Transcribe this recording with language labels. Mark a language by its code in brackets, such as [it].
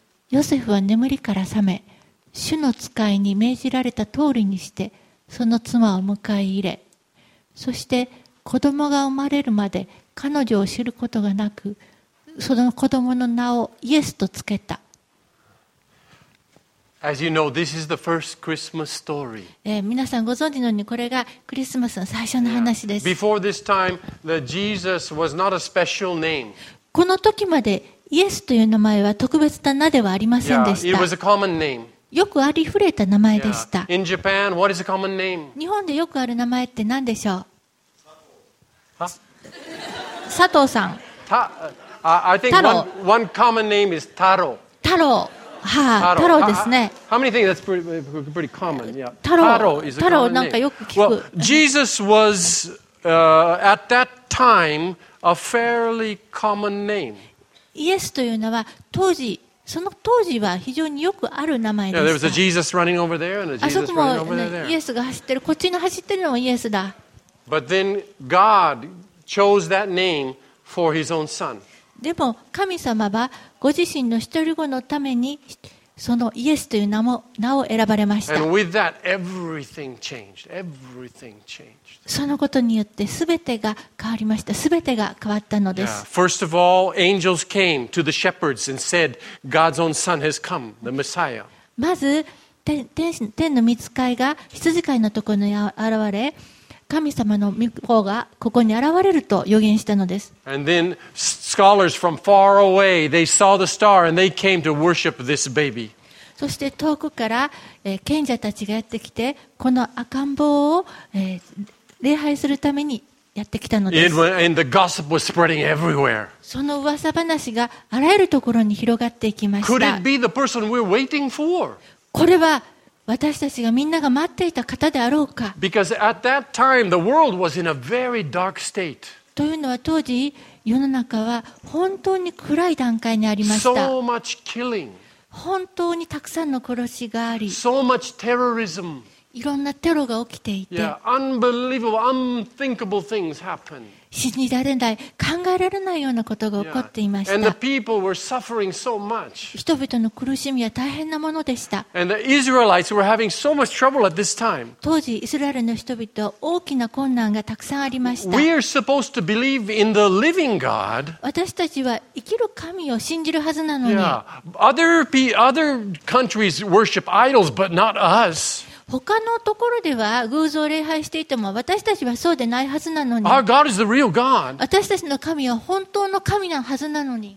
[ja] ヨセフは眠りから覚め、主の使いに命じられた通りにしてその妻を迎え入れ、そして子供が生まれるまで彼女を知ることがなく、その子供の名をイエスとつけた。 [en] As you know, this is the first Christmas story. [ja] 皆さんご存知のようにこれがクリスマスの最初の話です。 [en] Yeah. Before this time, the Jesus was not a special name. [ja] この時までイエスという名前は特別な名ではありませんでした。 [en] Yeah. It was a common name. [ja] よくありふれた名前でした。 [en] Yeah. In Japan, what is a common name? [ja] 日本でよくある名前って何でしょう？佐藤。佐藤さん。 [en] I think one common name is Taro. [ja] Taro. はあ、太郎ですね。 [en] How many think that's pretty common? Yeah. [ja] 太郎。太郎 [en] is a common name. [ja] なんかよく聞く。 [en] Well, Jesus was at that time a fairly common name. [ja] イエスというのは当時、その当時は非常によくある名前でした。 [en] Yeah, there was a Jesus running over there and a Jesus running over there. [ja] あそこもイエスが走ってる。こっちの走ってるのもイエスだ。 [en] But then God chose that name for His own Son. [ja] でも神様はご自身の一人子のためにそのイエスという名を選ばれました。 [en] And with that, everything changed. Everything changed. [ja] そのことによって全てが変わりました。全てが変わったのです。 [en] Yeah. First of all, angels came to the shepherds and said, God's own son has come, the Messiah. [ja] まず天の御使いが羊飼いのところに現れ、神様の御子がここに現れると予言したのです。 [en] And then scholars from far away, they saw the star and they came to worship this baby. [ja] そして遠くから、賢者たちがやってきて、この赤ん坊を、礼拝するためにやってきたのです。 [en] And the gossip was spreading everywhere. [ja] その噂話があらゆるところに広がっていきました。 [en] Could it be the person we're waiting for? [ja] これは私たちがみんなが待っていた方であろうか。 [en] Because at that time the world was in a very dark state. [ja] というのは当時世の中は本当に暗い段階にありました。 [en] So much killing. [ja] 本当にたくさんの殺しがあり。 [en] So much terrorism. [ja] いろんなテロが起きていて、 [en] unbelievable, unthinkable things happen. [ja] 信じられない、考えられないようなことが起こっていました。 [en] And the people were suffering so much. [ja] 人々の苦しみは大変なものでした。 [en] And the Israelites were having so much trouble at this time. [ja] 当時、イスラエルの人々は大きな困難がたくさんありました。 [en] We are supposed to believe in the living God. [ja] 私たちは生きる神を信じるはずなのに。 [en] Yeah. Other countries worship idols, but not us. [ja] 他のところでは偶像を礼拝していても私たちはそうでないはずなのに。 [en] Our God is the real God. [ja] 私たちの神は本当の神なはずなのに。